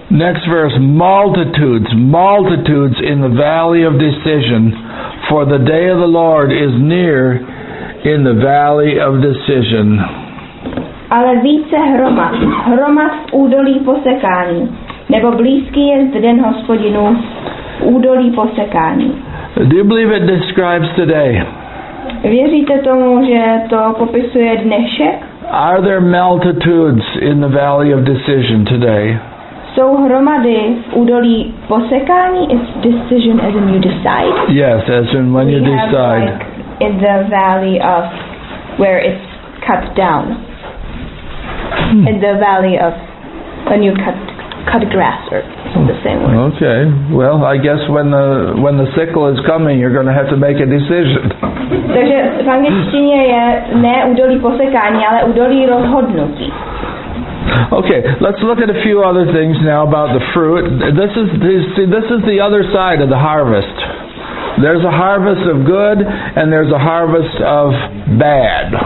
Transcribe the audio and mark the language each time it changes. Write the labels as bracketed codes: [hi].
[en] Next verse, multitudes in the valley of decision, for the day of the Lord is near in the valley of decision. [cs] Ale více hromad v údolí posekání, nebo blízký je den Hospodinů. Údolí posekání. [en] Do you believe it describes today? [cs] Věříte tomu, že to popisuje dnešek? [en] Are there multitudes in the valley of decision today? [cs] Jsou hromady v údolí posekání? [en] Is decision as in you decide? Yes, as in when We you decide. Like in the valley of where it's cut down. In the valley of when you cut grass or the same way. Okay. Well, I guess when the sickle is coming, you're going to have to make a decision. [cs] Takže v angličtině je ne údolí posekání, ale údolí rozhodnutí. [en] Okay, let's look at a few other things now about the fruit. This is the other side of the harvest. There's a harvest of good and there's a harvest of bad.